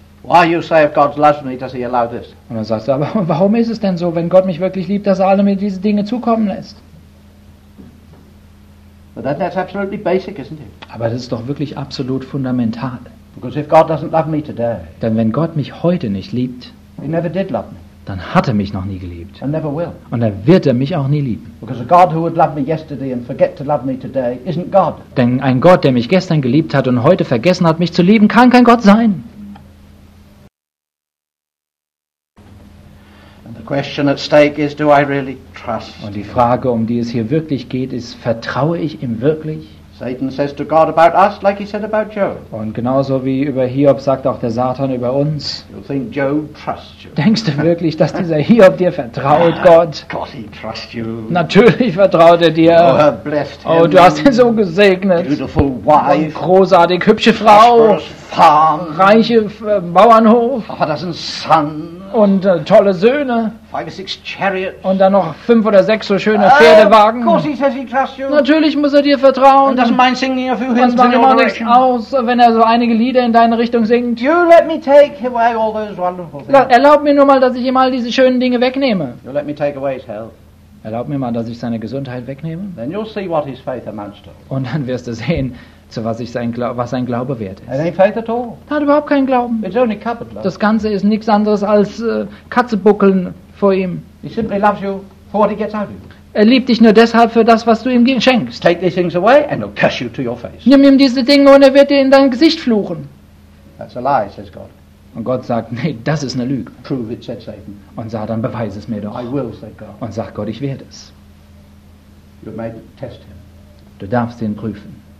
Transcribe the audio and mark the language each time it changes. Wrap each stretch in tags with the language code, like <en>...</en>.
<en>Why you say if God loves me, does he allow this?</en> <de>Und dann sagst du, aber warum ist es denn so, wenn Gott mich wirklich liebt, dass er alle mir diese Dinge zukommen lässt?</de> <en>But that's absolutely basic, isn't it?</en> <de>Aber das ist doch wirklich absolut fundamental.</de> <en>Because if God doesn't love me today,</en> <de>denn wenn Gott mich heute nicht liebt,</de> <en>he never did love me.</en> <de>Dann hat er mich noch nie geliebt.</de> <en>And never will.</en> <de>Und er wird er mich auch nie lieben.</de> <en>Because a God who would love me yesterday and forget to love me today isn't God.</en> <de>Denn ein Gott, der mich gestern geliebt hat und heute vergessen hat, mich zu lieben, kann kein Gott sein.</de> <en>And the question at stake is, do I really trust?</en> <de>Und die Frage, um die es hier wirklich geht, ist, vertraue ich ihm wirklich?</de> <en>Satan says to God about us, like he said about Job.</en> <de>Und genauso wie über Hiob sagt auch der Satan über uns.</de> <en>You think Job trusts you?</en> <de>Denkst du wirklich, dass dieser Hiob dir vertraut, Gott?</de> <en>God, he trusts you.</en> <de>Natürlich vertraut er dir.</de> <en>Oh, have blessed him.</en> <de>Oh, du hast ihn so gesegnet.</de> <en>Beautiful wife.</en> <de>Und großartig hübsche Frau.</de> <en>Prosperous farm.</en> <de>Reiche Bauernhof.</de> <en>Half a dozen sons.</en> <de>Und tolle Söhne.</de> <en>Five or six chariots.</en> <de>Und dann noch fünf oder sechs so schöne Pferdewagen.</de> <en>Of course he says he trusts you.</en> <de>Natürlich muss er dir vertrauen.</de> <en>And doesn't mind singing a few hymns in your direction.</en> <de>Und macht ihm aus, wenn er so einige Lieder in deine Richtung singt.</de> <en>You let me take away all those wonderful things.</en> <de>Erlaub mir nur mal, dass ich ihm all diese schönen Dinge wegnehme.</de> <en>You let me take away his health.</en> <de>Erlaub mir mal, dass ich seine Gesundheit wegnehme.</de> <en>Then you'll see what his faith amounts to.</en> <de>Und dann wirst du sehen, zu was ich sein was sein Glaube wert ist.</de> <en>Any faith at all.</en> <de>Hat überhaupt keinen Glauben.</de> <en>It's only cupboard love.</en> <de>Das Ganze ist nichts anderes als Katzebuckeln vor ihm.</de> <en>He simply loves you for what he gets out of you.</en> <de>Er liebt dich nur deshalb für das, was du ihm schenkst.</de> <en>Take these things away and he'll curse you to your face.</en> <de>Nimm ihm diese Dinge und er wird dir in dein Gesicht fluchen.</de> <en>That's a lie, says God.</en> <de>Und Gott sagt, nee, das ist eine Lüge.</de> <en>Prove it, said Satan.</en> <de>Und Satan, beweise es mir doch.</de> <en>I will, said God.</en> <de>Und sagt Gott, ich werde es.</de> <en>You may test him.</en> <de>Du darfst ihn prüfen.</de>